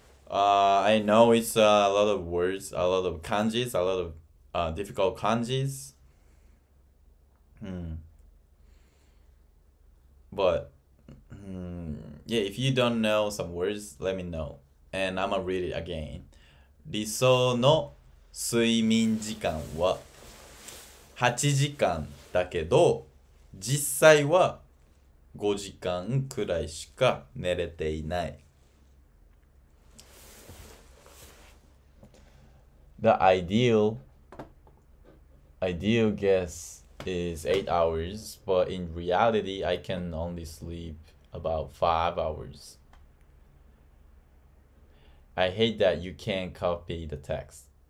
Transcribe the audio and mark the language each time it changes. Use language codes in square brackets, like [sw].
[en] I know it's a lot of words, a lot of kanjis, a lot of difficult kanjis. But, yeah, if you don't know some words, let me know. And I'm gonna read it again. [ja] 理想の睡眠時間は8時間だけど、実際は5時間くらいしか寝れていない。 [en] The ideal guess is 8 hours, but in reality, I can only sleep about 5 hours. I hate that you can't copy the text.